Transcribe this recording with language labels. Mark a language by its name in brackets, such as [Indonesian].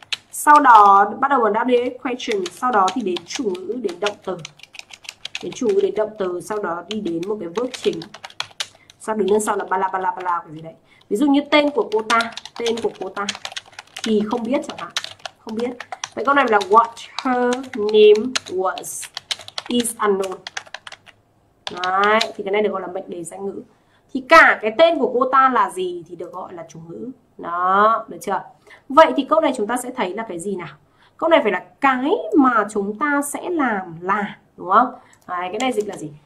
[Vietnamese] Sau đó bắt đầu bằng WH question, sau đó thì đến chủ ngữ, đến động từ. Đến chủ ngữ, đến động từ, sau đó đi đến một cái verb chính. Sau đứng lên sau là ba la ba la ba la cái gì đấy. Ví dụ như tên của cô ta thì không biết chẳng hạn. Không biết. Vậy câu này là [English] what her name was is unknown. [Vietnamese] Đấy, thì cái này được gọi là mệnh đề danh ngữ. Thì cả cái tên của cô ta là gì thì được gọi là chủ ngữ. Đó, được chưa? Vậy thì câu này chúng ta sẽ thấy là cái gì nào? Câu này phải là cái mà chúng ta sẽ làm là, đúng không? Đấy, cái này dịch là gì?